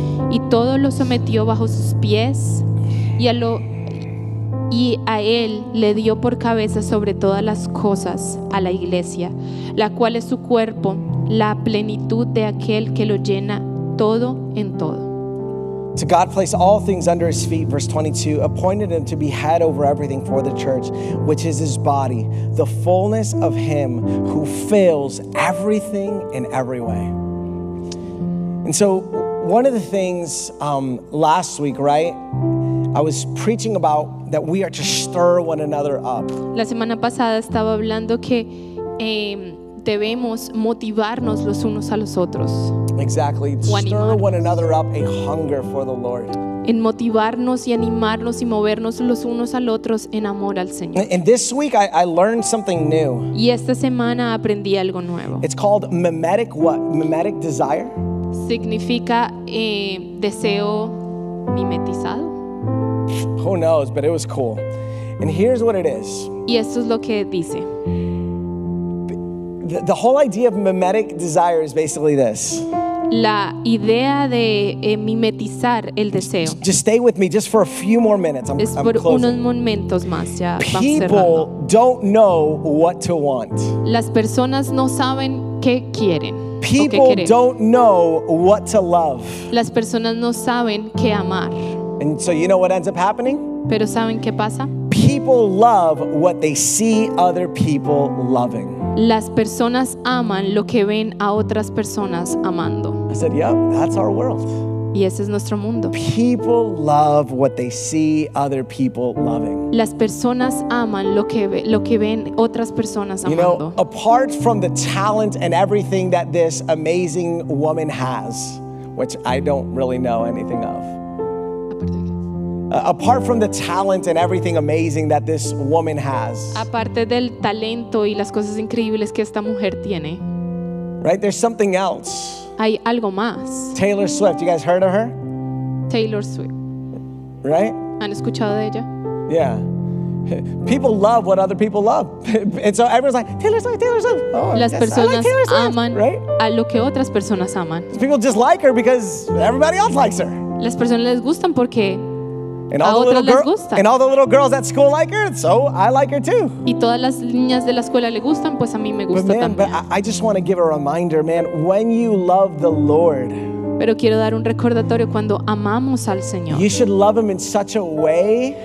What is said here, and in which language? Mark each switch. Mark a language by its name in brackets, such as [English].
[Spanish] Y todo lo sometió bajo sus pies y a Él le dio por cabeza sobre todas las cosas a la iglesia, la cual es su cuerpo, la plenitud de aquel que lo llena todo en todo. [English] To God placed all things under his feet, verse 22, appointed him to be head over everything for the church, which is his body, the fullness of him who fills everything in every way. And so one of the things last week, right, I was preaching about that we are to stir one another up. [Spanish] La semana pasada estaba hablando que debemos motivarnos los unos a los otros. [English] Exactly. Stir one another up, a hunger for the Lord. [Spanish] En motivarnos y animarnos y movernos los unos al otros en amor al Señor. [English] And this week I learned something new. [Spanish] Y esta semana aprendí algo nuevo. [English] It's called mimetic what? Mimetic desire? [Spanish] Significa deseo mimetizado. [English] Who knows, but it was cool. And here's what it is. [Spanish] Y esto es lo que dice. [English] The whole idea of mimetic desire is basically this. [Spanish] La idea de mimetizar el deseo. [English] Just stay with me just for a few more minutes. I'm closing. [Spanish] Unos momentos más, ya. [English] People don't know what to want. [Spanish] Las personas no saben qué quieren. [English] People don't know what to love. [Spanish] Las personas no saben qué amar. [English] And so you know what ends up happening? [Spanish] Pero ¿saben qué pasa? [English] People love what they see other people loving. [Spanish] Las personas aman lo que ven a otras personas amando. [English] I said, yep, that's our world. [Spanish] Y ese es nuestro mundo. [English] People love what they see other people loving. [Spanish] Las personas aman lo que ven otras personas amando. [English] You know, apart from the talent and everything that this amazing woman has, which I don't really know anything of. Apart from the talent and everything amazing that this woman has. [Spanish] Aparte del talento y las cosas increíbles que esta mujer tiene. [English] Right, there's something else. [Spanish] Hay algo más. [English] Taylor Swift, you guys heard of her? [Spanish] Taylor Swift. [English] Right? [Spanish] ¿Han escuchado de ella? [English] Yeah. People love what other people love. And so everyone's like, Taylor Swift. Oh, [Spanish] las personas [English] like Swift, [Spanish] aman [English] right? [Spanish] a lo que otras personas aman. [English] People just like her because everybody else likes her. [Spanish] Las personas les gustan porque [English] and all, and all the little girls at school like her, so I like her too. [Spanish] Y todas las niñas de la escuela le gustan, pues a mí me gusta también. [English] But man, but I just want to give a reminder, man. When you love the Lord, [Spanish] pero quiero dar un recordatorio cuando amamos al Señor. [English] You should love him in such a way.